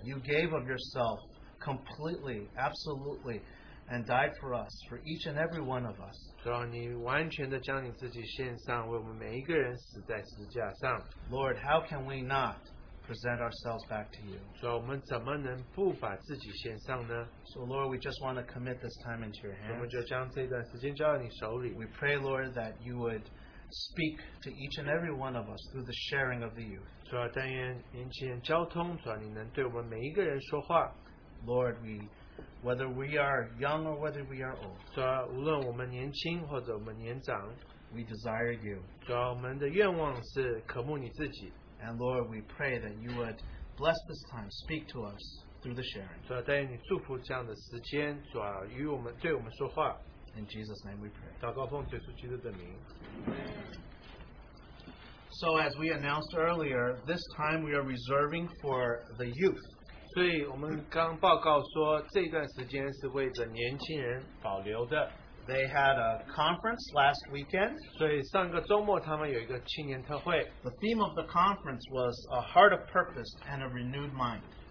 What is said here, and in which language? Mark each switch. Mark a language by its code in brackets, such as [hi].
[en] You gave of yourself completely, absolutely, and died for us, for each and every one of us. [zh] 主啊,你完全地将你自己献上,为我们每一个人死在十字架上。 [en] Lord, how can we not present ourselves back to you? [zh] 主啊,我们怎么能不把自己献上呢? [en] So Lord, we just want to commit this time into your hands. [zh] 我们就将这段时间交到你手里。 [en] We pray, Lord, that you would speak to each and every one of us through the sharing of the youth. Lord, whether we are young or whether we are old, we desire you. And Lord, we pray that you would bless this time, speak to us through the sharing. In Jesus' name we pray. [zh] 祷告奉主耶稣基督的名。 [en] So as we announced earlier, this time we are reserving for the youth. [zh] 所以我们刚报告说这段时间是为着年轻人保留的。 [en] They had a conference last weekend. [zh] 所以上个周末他们有一个青年特会。 [en] The theme of the conference was a heart of purpose and a renewed mind.